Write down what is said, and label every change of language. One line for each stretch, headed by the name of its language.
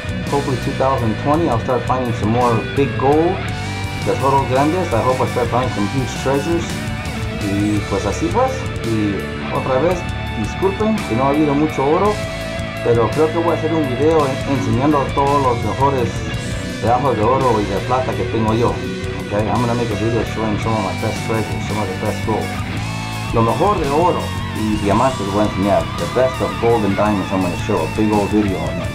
English: Hopefully 2020, I'll start finding some more big gold,
Spanish: tesoros grandes,
English: I hope I start finding some huge treasures,
Spanish: y pues así pues, y otra vez, disculpen que no ha habido mucho oro, pero creo que voy a hacer un video enseñando todos los mejores pedazos de oro y de plata que tengo yo.
English: Okay, I'm gonna make a video showing some of my best treasures, some of the best gold.
Spanish: Lo mejor de oro y diamantes voy a enseñar.
English: The best of gold and diamonds I'm gonna show. A big old video on that.